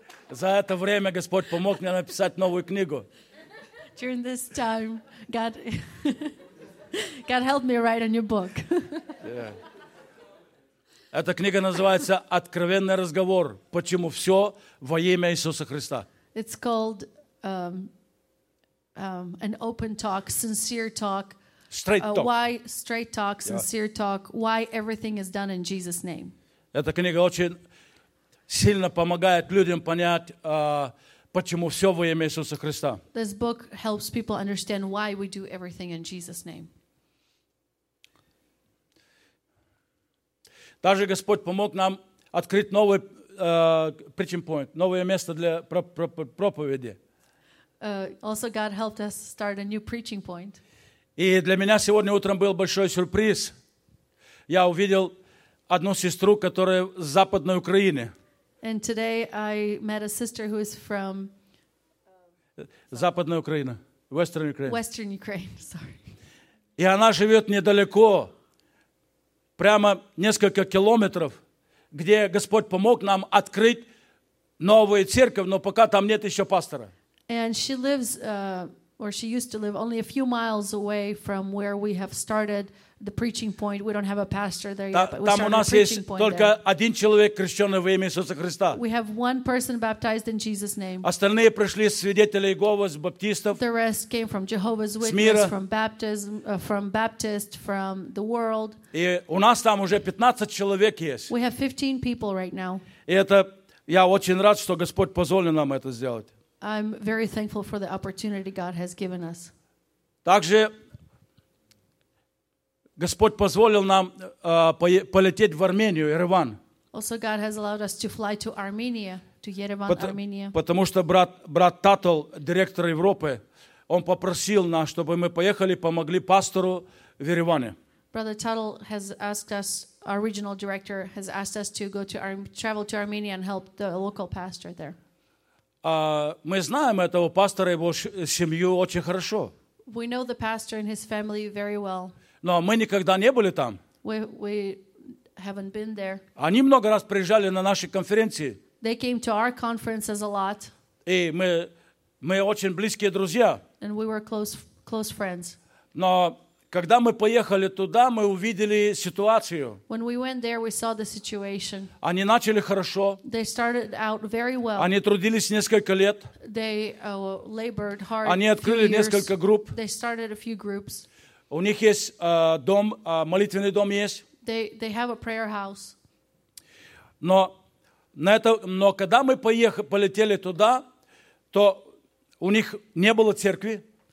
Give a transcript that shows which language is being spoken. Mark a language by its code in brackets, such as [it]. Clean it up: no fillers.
[ru] За это время Господь помог мне написать новую книгу. [en] During this time, God helped me write a new book. [ru] Эта книга называется «Откровенный разговор. Почему все во имя Иисуса Христа». [en] It's called an open talk, sincere talk. Straight talk. Why straight talk, sincere talk? Why everything is done in Jesus' name? [ru] Эта книга очень сильно помогает людям понять почему все во имя Иисуса Христа. [en] This book helps people understand why we do everything in Jesus' name. [ru] Даже Господь помог нам открыть новый preaching point, новое место для проповеди. [en] Also God helped us start a new preaching point. [ru] И для меня сегодня утром был большой сюрприз. Я увидел одну сестру, которая из Западной Украины. [en] And today I met a sister who is from [ru] Западная Украина, [en] Western Ukraine. Western Ukraine, sorry. [ru] И она живет недалеко, прямо несколько километров, где Господь помог нам открыть новую церковь, но пока там нет еще пастора. [en] And she lives, or she used to live, only a few miles away from where we have started the preaching point. We don't have a pastor there yet, but we started the preaching point. [ru] Там у нас есть только один человек, крещенный во имя Иисуса Христа. [en] We have one person baptized in Jesus' name. [ru] Остальные пришли из свидетелей Иеговы, из баптистов. [en] The rest came from Jehovah's Witness, from the world. [ru] И у нас там уже 15 человек есть. [en] We have 15 people right now. [ru] И это я очень рад, что Господь позволил нам это сделать. [en] I'm very thankful for the opportunity God has given us. [ru] Также Господь позволил нам полететь в Армению, Ереван. [en] Also God has allowed us to fly to Armenia, to Yerevan, Armenia. [ru] Потому что брат Татл, директор Европы, он попросил нас, чтобы мы поехали, помогли пастору в Ереване. [en] Brother Tuttle has asked us, our regional director has asked us to go to travel to Armenia and help the local pastor there. [ru] Мы знаем этого пастора и его семью очень хорошо. [en] We know the pastor and his family very well. [ru] Но мы никогда не были там. [en] We haven't been there. [ru] Они много раз приезжали на наши конференции. [en] They came to our conferences a lot. [ru] И мы очень близкие друзья. [en] And we were close friends. [ru] Но когда мы поехали туда, мы увидели ситуацию. [en] When we went there, we saw the situation. [ru] Они начали хорошо. [en] They started out very well. [ru] Они трудились несколько лет. [en] They labored hard. [ru] Они открыли несколько групп. [en] They started a few groups. [ru] У них есть дом, молитвенный дом есть. [en] They have a prayer house. [ru] Но когда мы полетели туда, то у них не было церкви.